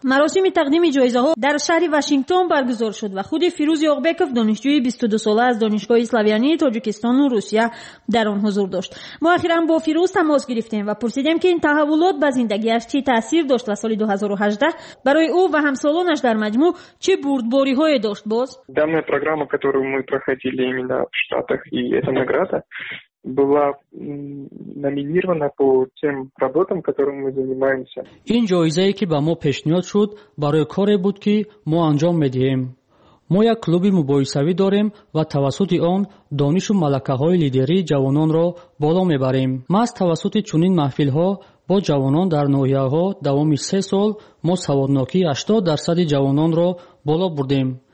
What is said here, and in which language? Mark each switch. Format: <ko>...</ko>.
<fa>مراسم تقدیم جایزه ها در شهر واشنگتن برگزار شد و خود فیروز یوغبکوف دانشجوی 22 ساله از دانشگاه اسلاویانی تاجیکستان و روسیه در آن حضور داشت. ما اخیرا با فیروز تماس گرفتیم و پرسیدیم که این تحولات به زندگیش چه تاثیر داشت و سال 2018 برای او و همسالانش در مجموع</fa> <tg>чи бурдбори хое дошт боз</tg> <ru>данная программа которую мы проходили именно в штатах и эта награда была номинирована по тем работам которым мы занимаемся</ru> <tg>ин жоизае ки ба мо пешниҳод шуд барои коре буд ки мо анҷом медиҳем мо як клуби мубоҳисавӣ дорем ва тавассути он донишу малакаҳои лидерии ҷавононро боло мебарем ма аз тавассути чунин маҳфилҳо бо ҷавонон дар ноҳияҳо давоми 3 сол мо саводнокии 80% ҷавононро боло бурдем.</tg>